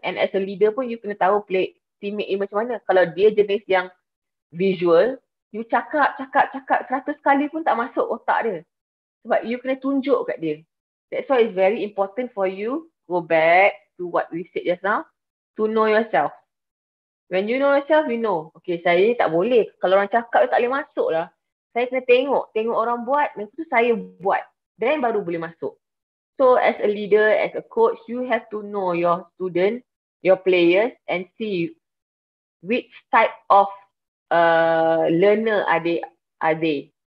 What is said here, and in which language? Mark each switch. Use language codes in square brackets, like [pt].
[en] And as a leader [ms] pun you kena tahu play teammate dia macam mana. Kalau dia jenis yang visual, you cakap 100 kali pun tak masuk otak dia. Sebab you kena tunjuk kat dia. [en] That's why it's very important for you go back to what we said just now, to know yourself. When you know yourself, you know. Okay, [ms] saya tak boleh. Kalau orang cakap, tak boleh masuk lah. Saya kena tengok. Tengok orang buat, lepas tu saya buat. Then baru boleh masuk. [en] So as a leader, as a coach, you have to know your student, your players and see which type of learner are they.